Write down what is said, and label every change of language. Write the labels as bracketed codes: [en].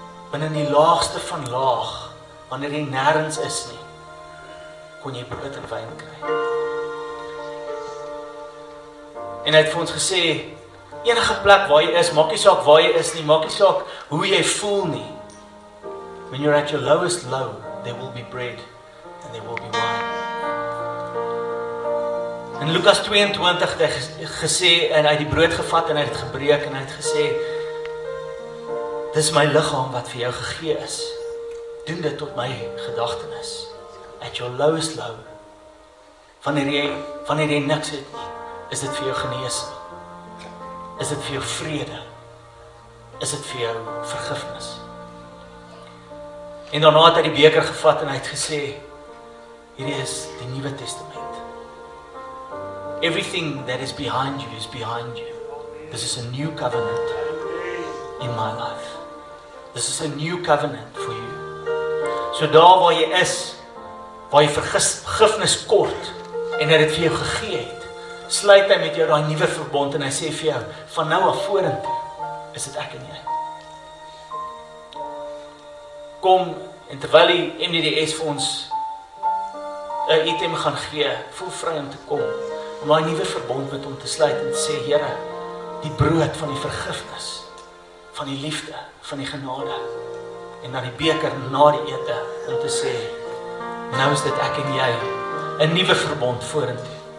[af] Binnen die laagste van laag, wanneer jy nêrens is nie, kon jy brood en wijn kry. En hy het vir ons gesê, enige plek waar jy is, maak jy saak waar jy is nie, maak jy saak hoe jy voel nie. [en] When you're at your lowest low, there will be bread and there will be wine. [af] In Lukas 22 het hy gesê, en hy het die brood gevat en hy het gebreek en hy het gesê, dit is my lichaam wat vir jou gegee is. Doen dit tot my gedagtenis. [en] At your lowest low. [af] Wanneer jy niks het nie, is dit vir jou genees. is dit vir jou vrede? Is dit vir jou vergifnis? En daarna het hy die beker gevat en hy het gesê, hierdie is die Nuwe Testament. [en] Everything that is behind you is behind you. This is a new covenant in my life. This is a new covenant for you. [af] So daar waar jy is, waar jy vergifnis kort en hy het vir jou gegee het, sluit hy met jou daai nuwe verbond en hy sê vir jou, van nou af vorentoe is dit ek en jy. Kom, en terwyl die MDDS vir ons 'n item gaan gee, voel vry om te kom, om daai nuwe verbond met hom te sluit en te sê, Here, die brood van die vergifnis, van die liefde, van die genade, en na die beker, na die ete, om te sê, nou is dit ek en jy, 'n nuwe verbond vorentoe.